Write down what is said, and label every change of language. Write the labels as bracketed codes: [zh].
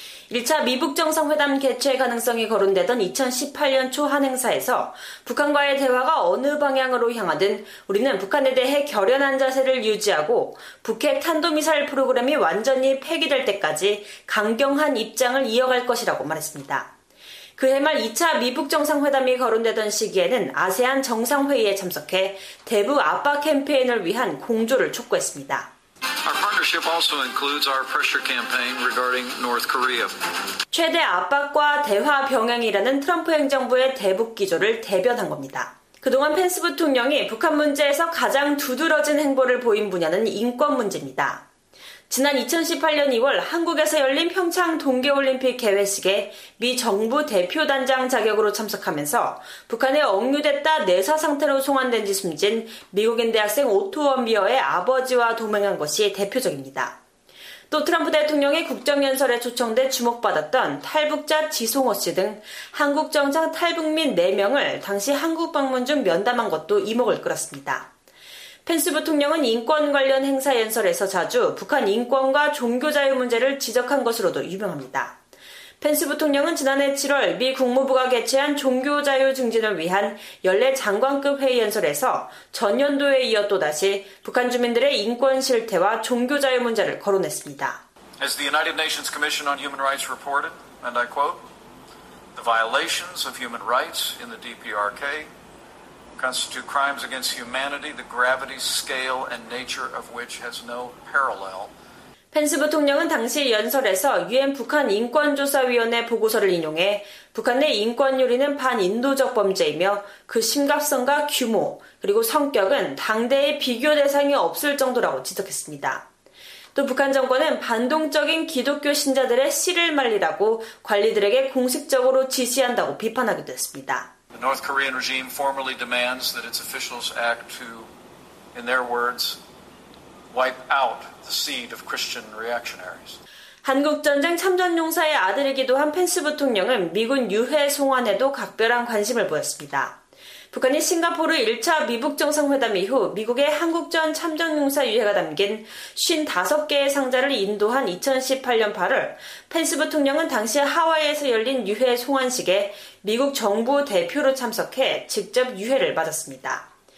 [ko] 1차 미북 정상회담 개최 가능성이 거론되던 2018년 초 한 행사에서 북한과의 대화가 어느 방향으로 향하든 우리는 북한에 대해 결연한 자세를 유지하고 북핵 탄도미사일 프로그램이 완전히 폐기될 때까지 강경한 입장을 이어갈 것이라고 말했습니다. 그해 말 2차 미북 정상회담이 거론되던 시기에는 아세안 정상회의에 참석해 대북 압박 캠페인을 위한 공조를 촉구했습니다. [en] Our partnership also includes our pressure campaign regarding North Korea. [ko] 최대 압박과 대화 병행이라는 트럼프 행정부의 대북 기조를 대변한 겁니다. 그동안 펜스 부통령이 북한 문제에서 가장 두드러진 행보를 보인 분야는 인권 문제입니다. 지난 2018년 2월 한국에서 열린 평창 동계올림픽 개회식에 미 정부 대표단장 자격으로 참석하면서 북한에 억류됐다 내사 상태로 송환된 지 숨진 미국인 대학생 오토 원비어의 아버지와 동행한 것이 대표적입니다. 또 트럼프 대통령의 국정연설에 초청돼 주목받았던 탈북자 지송호 씨 등 한국 정상 탈북민 4명을 당시 한국 방문 중 면담한 것도 이목을 끌었습니다. 펜스 부통령은 인권 관련 행사 연설에서 자주 북한 인권과 종교 자유 문제를 지적한 것으로도 유명합니다. 펜스 부통령은 지난해 7월 미 국무부가 개최한 종교 자유 증진을 위한 연례 장관급 회의 연설에서 전년도에 이어 또다시 북한 주민들의 인권 실태와 종교 자유 문제를 거론했습니다. [en] As the United Nations Commission on Human Rights reported, and I quote, the violations of human rights in the DPRK constitute crimes against humanity, the gravity, scale, and nature of which has no parallel. [ko] 펜스 부통령은 당시 연설에서 유엔 북한인권조사위원회 보고서를 인용해 북한 내 인권유린은 반인도적 범죄이며 그 심각성과 규모 그리고 성격은 당대의 비교 대상이 없을 정도라고 지적했습니다. 또 북한 정권은 반동적인 기독교 신자들의 씨를 말리라고 관리들에게 공식적으로 지시한다고 비판하기도 했습니다. [en] The North Korean regime formally demands that its officials act to, in their words, wipe out the seed of Christian reactionaries. [ko] 한국전쟁 참전용사의 아들이기도 한 펜스 부통령은 미군 유해 송환에도 각별한 관심을 보였습니다. 북한이 싱가포르 1차 미북정상회담 이후 미국의 한국전 참전용사 유해가 담긴 55개의 상자를 인도한 2018년 8월 펜스 부통령은 당시 하와이에서 열린 유해 송환식에 미국 정부 대표로 참석해 직접 유해를 맞았습니다.